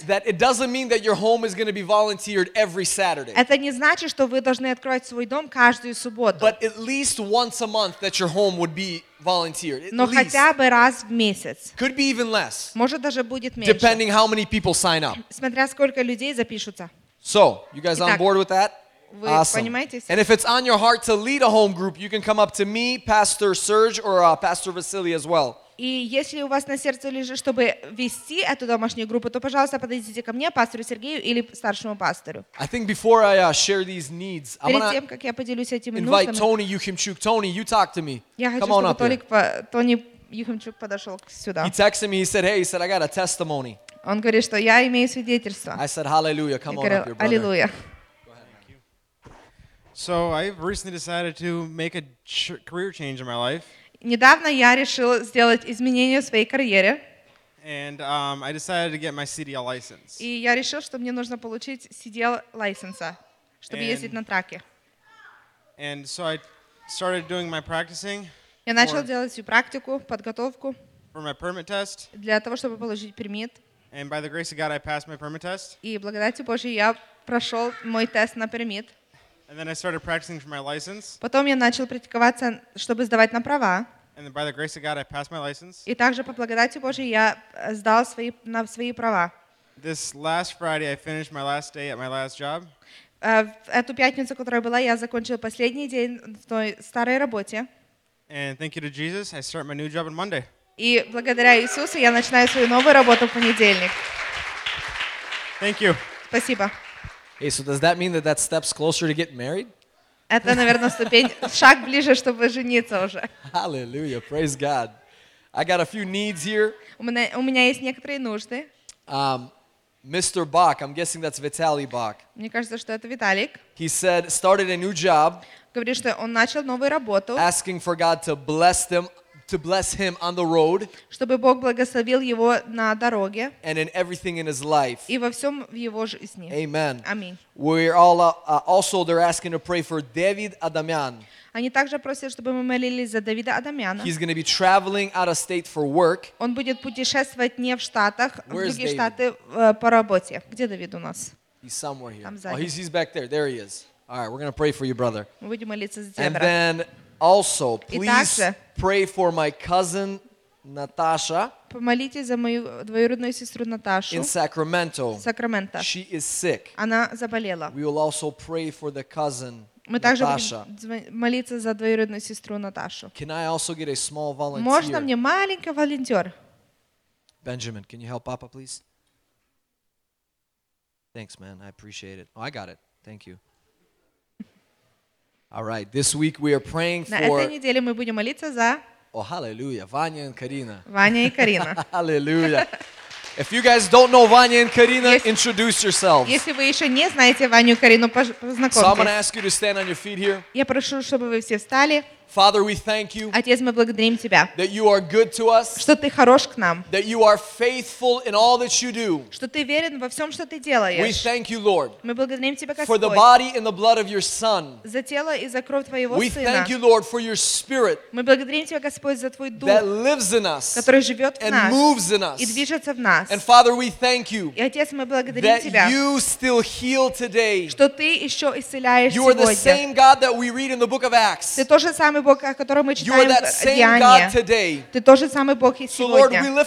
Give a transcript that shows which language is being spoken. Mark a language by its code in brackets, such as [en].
[en] That it doesn't mean that your home is going to be volunteered every Saturday. [ru] Это не значит, что вы должны открывать свой дом каждую субботу. [en] But at least once a month that your home would be volunteered. [ru] Но хотя бы раз в месяц. [en] Could be even less. [ru] Может даже будет меньше. [en] Depending how many people sign up. [ru] Смотря сколько людей запишутся. [en] So, you guys [ru] Итак, [en] on board with that? [ru] Вы [en] awesome. [ru] Понимаете? [en] And if it's on your heart to lead a home group, you can come up to me, Pastor Serge, or Pastor Vasily as well. [ru] И если у вас на сердце лежит, чтобы вести эту домашнюю группу, то, пожалуйста, подойдите ко мне, пастору Сергею или старшему пастору. [en] I think before I share these needs, I'm going to invite [ru] нуждами, [en] Tony Yuchimchuk. Tony, you talk to me. Come [ru] хочу, [en] on up here. [ru] Tony Yuchimchuk подошел сюда. [en] He texted me. He said, "Hey, he said I got a testimony." [ru] Он говорит, что я имею свидетельство. [en] I said, "Hallelujah, come [ru] говорю, [en] on up here, brother." [ru] Аллилуйя. [en] So I've recently decided to make a career change in my life. [ru] Недавно я решил сделать изменение в своей карьере. [en] And I decided to get my CDL license. [ru] И я решил, что мне нужно получить CDL license, чтобы ездить на траке. [en] And so I started doing my practicing. [ru] Я начал делать всю практику, подготовку. [en] For my permit test. [ru] Для того, чтобы получить пермит. [en] And by the grace of God, I passed my permit test. [ru] И благодатью Божьей я прошел мой тест на пермит. [en] And then I started practicing for my license. [ru] Потом я начал практиковаться, чтобы сдавать на права. [en] And then by the grace of God, I passed my license. [ru] И также по благодати Божьей я сдал свои на свои права. [en] This last Friday, I finished my last day at my last job. [ru] Эту пятницу, которая была, я закончил последний день в той старой работе. [en] And thank you to Jesus, I start my new job on Monday. [ru] И благодаря Иисусу я начинаю свою новую работу в понедельник. [en] Thank you. [ru] Спасибо. [en] Hey, so does that mean that that steps closer to getting married? [ru] Это, наверное, ступень, шаг ближе, чтобы жениться уже. [en] Hallelujah, praise God. I got a few needs here. [ru] У меня есть некоторые нужды. [en] Mr. Bach, I'm guessing that's Vitaly Bach. [ru] Мне кажется, что это Виталик. [en] He said, started a new job. [ru] Говорит, что он начал новую работу. [en] Asking for God to bless him on the road. [ru] Чтобы Бог благословил его на дороге. [en] And in everything in his life. [ru] И во всем в его жизни. [en] Amen. [ru] Аминь. [en] We're all also they're asking to pray for David Adamyan. [ru] Они также просят, чтобы мы молились за Давида Адамяна. [en] He's going to be traveling out of state for work. [ru] Он будет путешествовать не в Штатах, в другие штаты по работе. Где Давид у нас? [en] He's somewhere here. [ru] Там сзади. [en] Oh, he's back there. There he is. All right, we're going to pray for you, brother. [ru] Мы будем молиться за тебя, брат. [en] And then also, please pray for my cousin Natasha. [ru] Помолитесь за мою двоюродную сестру Наташу. [en] In Sacramento. [ru] Сакраменто. [en] She is sick. [ru] Она заболела. [en] We will also pray for the cousin. [ru] Мы также будем молиться за двоюродную сестру Наташу. [en] Can I also get a small volunteer? [ru] Можно мне маленький волонтер? [en] Benjamin, can you help Papa, please? Thanks, man. I appreciate it. Oh, I got it. Thank you. All right. This week we are praying for. [ru] На этой неделе мы будем молиться за. [en] Oh, hallelujah! Ваня и Карина. [ru] Ваня и Карина. [en] Hallelujah. If you guys don't know Vanya and Karina, introduce yourselves. [ru] Если вы еще не знаете Ваню и Карину, познакомьтесь. [en] So I'm going to ask you to stand on your feet here. [ru] Я прошу, чтобы вы все встали. [en] Father, we thank you. [ru] Отец, мы благодарим тебя. [en] That you are good to us. [ru] Что ты хорош к нам. [en] That you are faithful in all that you do. [ru] Что ты верен во всем, что ты делаешь. [en] We thank you, Lord. [ru] Мы благодарим тебя, Господь. [en] For the body and the blood of your Son. [ru] За тело и за кровь твоего [en] we [ru] Сына. [en] We thank you, Lord, for your Spirit. [ru] Мы благодарим тебя, Господь, за твой дух. [en] That lives in us. [ru] Который живет в [en] and [ru] нас. [en] And moves in us. [ru] И движется в нас. [en] And Father, we thank you. [ru] И Отец, мы благодарим тебя. [en] That you still heal today. [ru] Что ты еще исцеляешь сегодня. [en] You are the same God that we read in the book of Acts. [ru] Ты тот же самый Бог, о котором мы читаем в Деяниях. Ты тот же самый Бог и сегодня.